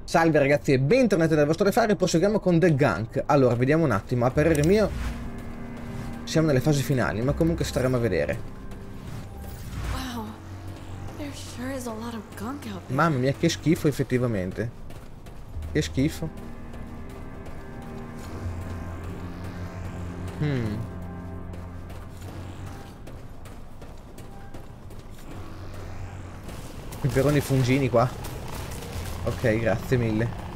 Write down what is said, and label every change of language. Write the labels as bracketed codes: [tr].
[it] Salve ragazzi e bentornati dal vostro Refare, proseguiamo con The Gunk. Allora, vediamo un attimo, a parere mio siamo nelle fasi finali, ma comunque staremo a vedere. Wow. [en] There sure is a lot of gunk out there. [it] Mamma mia, che schifo effettivamente. Che schifo. I peroni fungini qua. Ok, grazie mille.